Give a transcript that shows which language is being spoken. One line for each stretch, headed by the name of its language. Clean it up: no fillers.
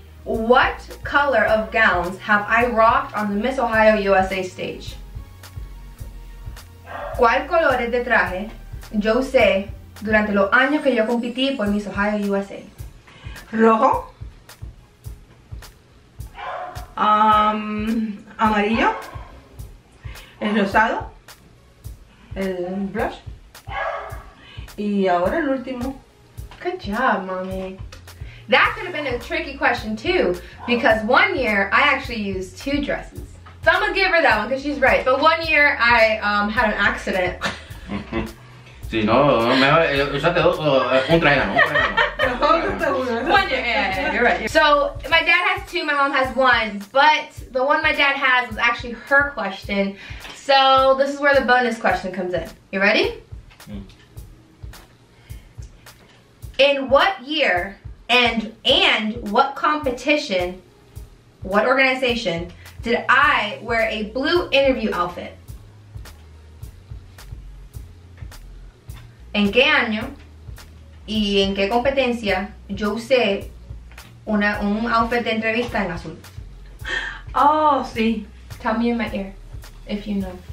English: What color of gowns have I rocked on the Miss Ohio USA stage?
Spanish: ¿Cuál color de traje yo usé durante los años que yo competí por Miss Ohio USA? ¿Rojo? ¿Amarillo? ¿El rosado? ¿El blush? Y ahora el último.
English: Good job, mommy. That could have been a tricky question too, because 1 year I actually used 2 dresses. So I'm gonna give her that one because she's right. But 1 year I had an accident.
Spanish: Sí, no, mejor usaste dos, un traje, no.
English: 1 year, yeah, you're right. So my dad has 2, my mom has 1, but the one my dad has was actually her question. So this is where the bonus question comes in. You ready? In what year? And what competition, what organization, did I wear a blue interview outfit?
Spanish: ¿En qué año y en qué competencia yo usé un outfit de entrevista en azul? Oh, sí.
English: Tell me in my ear, if you know.